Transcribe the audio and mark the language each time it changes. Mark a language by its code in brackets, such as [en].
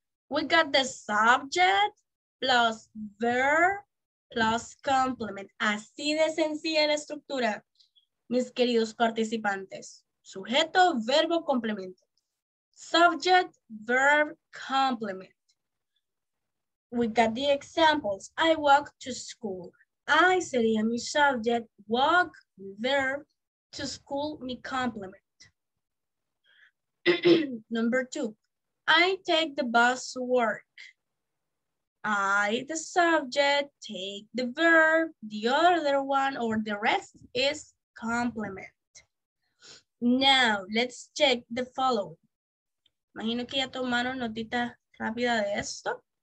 [en] We got the subject plus verb plus complement. [es] Así de sencilla la estructura, mis queridos participantes. Sujeto, verbo, complemento. [en] Subject, verb, complement. We got the examples. I walk to school. I sería mi subject, walk, verb, to school, mi complement. Number two, I take the bus to work. I, the subject, take the verb, the other one, or the rest is complement. Now, let's check the following. [es] Imagino que ya tomaron notita rápida de esto.